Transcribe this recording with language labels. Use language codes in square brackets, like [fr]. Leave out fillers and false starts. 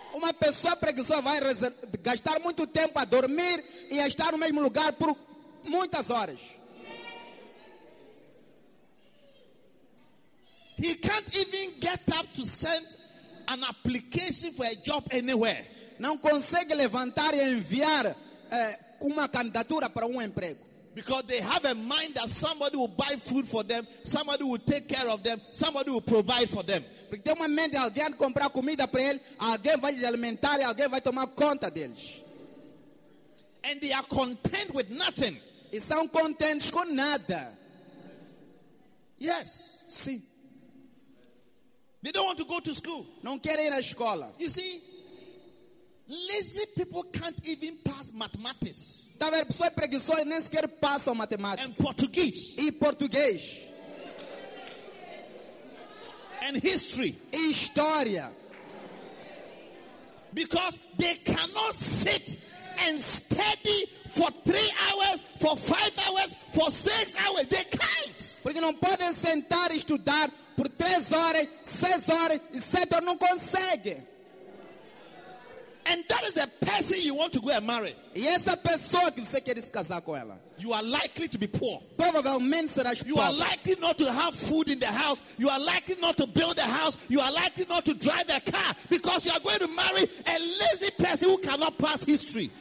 [pt] Uma pessoa preguiçosa vai gastar muito tempo a dormir e a estar no mesmo lugar por muitas horas. [en] He can't even get up to send an application for a job anywhere. [pt] Não consegue levantar e enviar uma candidatura para emprego. [en] Because they have a mind that somebody will buy food for them, somebody will take care of them, somebody will provide for them. [pt] Porque tem uma mente, alguém comprar comida para ele, alguém vai alimentar e alguém vai tomar conta deles. [en] And they are content with nothing. [pt] E são contentes com nada. [en] Yes. [pt] Sim. [en] They don't want to go to school. [pt] Não querem ir à escola. [en] You see, lazy people can't even pass mathematics. [pt] Tá vendo? Pessoas preguiçosas nem sequer passam matemática. [en] And português. [pt] E português. [en] And history. [pt] E história. [en] Because they cannot sit and study for 3 hours, for 5 hours, for 6 hours. They can't. [pt] Porque não podem sentar e estudar por 3 horas, 6 horas, 7 horas. Não consegue. [en] And that is the person you want to go and marry. [pt] E essa pessoa que você quer se casar com ela. [en] You are likely to be poor. [pt] Provavelmente serás pobre. [en] You are likely not to have food in the house. You are likely not to build a house. You are likely not to drive a car. Because you are going to marry a lazy person who cannot pass history.